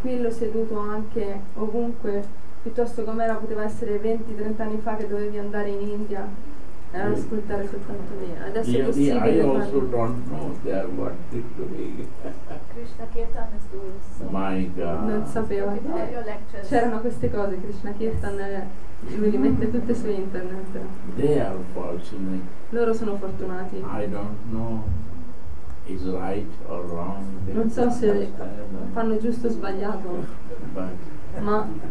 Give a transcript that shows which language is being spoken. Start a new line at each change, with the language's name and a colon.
Italian: Seduto anche ovunque, piuttosto com'era poteva essere 20-30 anni fa che dovevi andare in India e ascoltare soltanto lì. Adesso
English: yeah,
Italian: è possibile.
English: I also don't know there what to be. Krishna Kirtan is doing so. My God.
Italian: Non sapeva che c'erano queste cose, Krishna Kirtan li mette tutte su internet.
English: They are fortunate.
Italian: Loro sono fortunati.
English: I don't know. Is right or wrong.
Italian: Non so se fanno giusto o sbagliato, ma